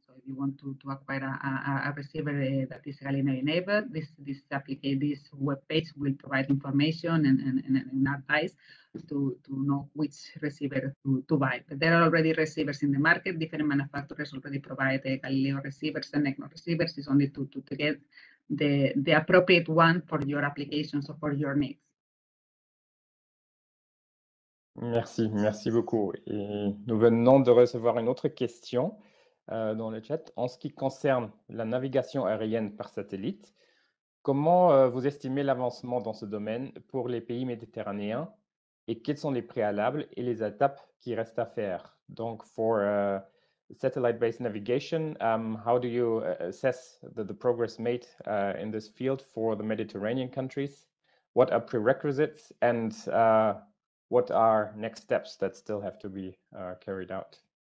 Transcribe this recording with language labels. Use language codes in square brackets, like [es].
[en] So if you want to acquire a receiver that is Galileo enabled, this web page will provide information and advice to know which receiver to buy. But there are already receivers in the market. Different manufacturers already provide the Galileo receivers and ECNOS receivers. It's only to get the appropriate one for your applications or for your needs. [fr] Merci beaucoup. Et nous venons de recevoir une autre question dans le chat. En ce qui concerne la navigation aérienne par satellite, comment vous estimez l'avancement dans ce domaine pour les pays méditerranéens et quels sont les préalables et les étapes qui restent à faire? [en] Donc, pour satellite-based navigation, how do you assess the progress made in this field for the Mediterranean countries? What are prerequisites and what are next steps that still have to be carried out?